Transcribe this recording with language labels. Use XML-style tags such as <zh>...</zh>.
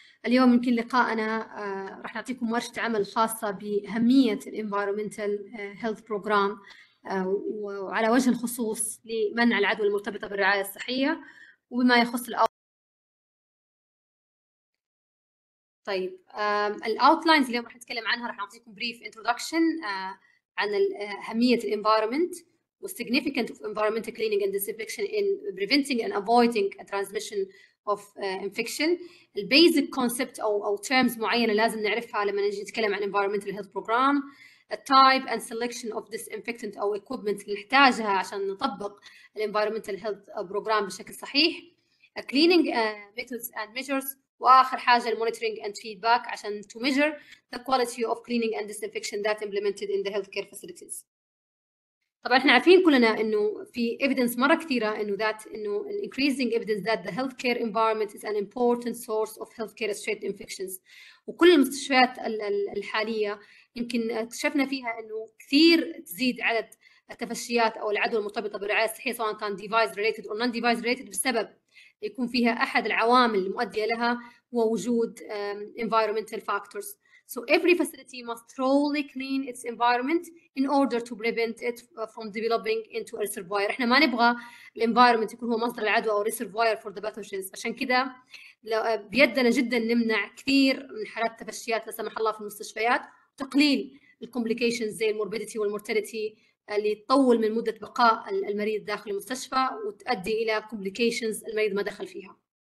<ar>اليوم يمكن لقاءنا راح نعطيكم ورشة عمل خاصة بأهمية الـ Environmental Health Program وعلى وجه الخصوص لمنع العدوى المرتبطة بالرعاية الصحية وبما يخص الـ طيب الـ Outlines اليوم راح نتكلم عنها راح نعطيكم Brief Introduction عن أهمية الـ Environment و</ar> <en>significance of environmental cleaning and disinfection in preventing and avoiding a transmission of infection. The basic concept or terms</en> <ar>معينة لازم نعرفها لما نجي نتكلم عن</ar> <en>environmental health program. The type and selection of disinfectant or equipment</en> <ar>اللي نحتاجها عشان نطبق</ar> <en>the environmental health program</en> <ar>بشكل صحيح.</ar> <en>A cleaning methods and measures.</en> <ar>وآخر حاجة</ar> <en>the monitoring and feedback</en> <ar>عشان</ar> <en>to measure the quality of cleaning and disinfection that implemented in the healthcare facilities.</en> <ar>طبعا احنا عارفين كلنا انه في</ar> <en>evidence</en> <ar>مره كثيره انه ذات انه</ar> <en>increasing evidence that the healthcare environment is an important source of healthcare street infections.</en> <ar>وكل المستشفيات الحاليه يمكن اكتشفنا فيها انه كثير تزيد عدد التفشيات او العدوى المرتبطه بالرعايه الصحيه سواء كان</ar> <en>device related or non device related</en> <ar>بسبب يكون فيها احد العوامل المؤديه لها هو وجود environmental factors.</ar> <en>So every facility must thoroughly clean its environment in order to prevent it from developing into a reservoir.</en> <ar>احنا ما نبغى الانفايرمنت يكون هو مصدر العدوى او</ar> <en>reservoir for the pathogens.</en> <ar>عشان كده بيدنا جدا نمنع كثير من حالات التفشيات لا سمح الله في المستشفيات وتقليل الكومبليكيشنز زي الموربيديتي والمورتاليتي اللي تطول من مده بقاء المريض داخل المستشفى وتؤدي الى كومبليكيشنز المريض ما دخل فيها.</ar>